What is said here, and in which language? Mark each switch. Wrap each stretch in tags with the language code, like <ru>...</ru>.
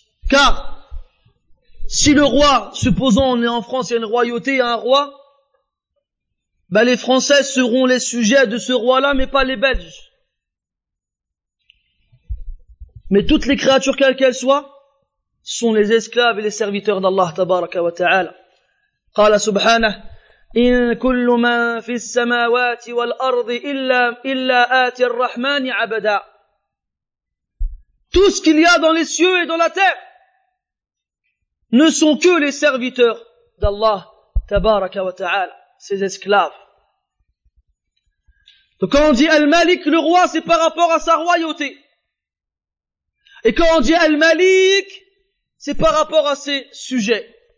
<fr>Car, si le roi, supposons on est en France, il y a une royauté, il y a un roi, ben les Français seront les sujets de ce roi-là, mais pas les Belges. Mais toutes les créatures, quelles qu'elles soient, sont les esclaves et les serviteurs d'Allah, tabaraka wa ta'ala.</fr> <ar>Qala subhanah, إن كل من في السماوات والأرض إلا آتي الرحمن عبدا.</ar> <fr>Tout ce qu'il y a dans les cieux et dans la terre ne sont que les serviteurs d'Allah tabaraka wa ta'ala, ses esclaves. Donc quand on dit Al-Malik, le roi, c'est par rapport à sa royauté. Et quand on dit Al-Malik, c'est par rapport à ses sujets.</fr>